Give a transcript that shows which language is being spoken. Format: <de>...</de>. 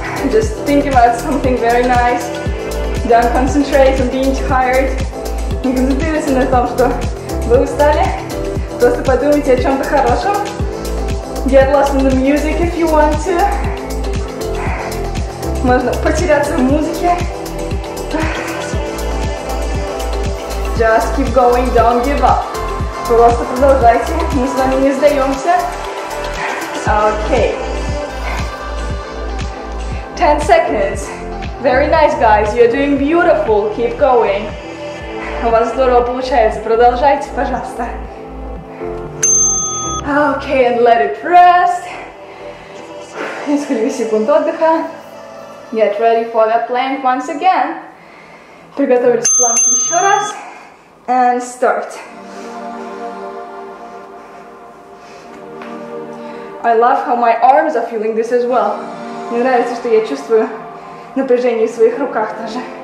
<en>Just think about something very nice. Don't concentrate on being tired.</en> <ru>Не концентрируйся на том, что вы устали. Просто подумайте о чем-то хорошем.</ru> <en>Get lost in the music if you want to.</en> <ru>Можно потеряться в музыке.</ru> <en>Just keep going, don't give up.</en> <ru>Просто продолжайте, мы с вами не сдаемся.</ru> <en>Okay. 10 seconds. Very nice, guys, you're doing beautiful, keep going.</en> <ru>У вас здорово получается, продолжайте, пожалуйста.</ru> <en>Okay, and let it rest.</en> <ru>Несколько секунд отдыха.</ru> <en>Get ready for that plank once again.</en> <ru>Приготовились к планке еще раз.</ru> <en>And start. I love how my arms are feeling this as well.</en> <ru>Мне нравится, что я чувствую напряжение в своих руках тоже.</ru>